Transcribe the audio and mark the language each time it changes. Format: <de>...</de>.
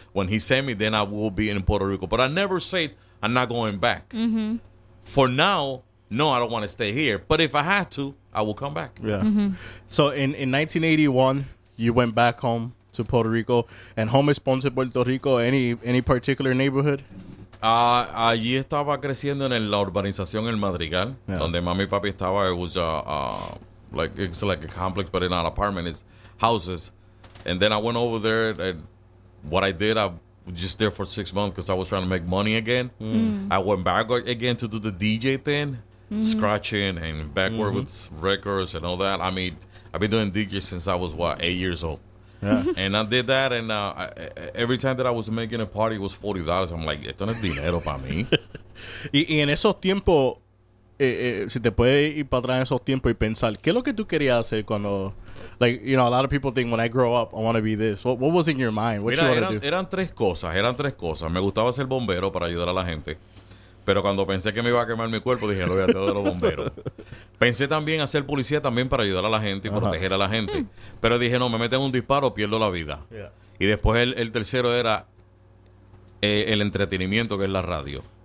<en>When he sent me, then I will be in Puerto Rico. But I never said I'm not going back. Mm-hmm. For now, no, I don't want to stay here. But if I had to, I will come back. Yeah. Mm-hmm. So in 1981, you went back home to Puerto Rico. And home is sponsored Puerto Rico. Any particular neighborhood?</en> <es>Allí estaba creciendo en la urbanización El Madrigal, donde mami y papi estaba.</es> <en>It was like it's like a complex, but in an apartment. It's houses. And then I went over there, and what I did, I was just there for 6 months because I was trying to make money again. I went back again to do the DJ thing, scratching and backward with records and all that. I mean, I've been doing DJ since I was, what, 8 years old. Yeah. And I did that, and every time that I was making a party, it was $40. I'm like,</en> <es>esto no es dinero para mí. Y en esos tiempos, si te puedes ir para atrás en esos tiempos y pensar, ¿qué es lo que tú querías hacer cuando...</es> <en>Like, you know, a lot of people think, when I grow up, I want to be this. What was in your mind? What</en> <es>Mira,</es> <en>you want to do?</en> <es>Eran tres cosas. Eran tres cosas. Me gustaba ser bombero para ayudar a la gente. Pero cuando pensé que me iba a quemar mi cuerpo, dije, lo voy a hacer de los bomberos. Pensé también hacer policía también para ayudar a la gente y proteger a la gente. Pero dije, no, me meten un disparo, pierdo la vida.</es> <en>Yeah.</en> <es>Y después el tercero era el entretenimiento, que es la radio.</es>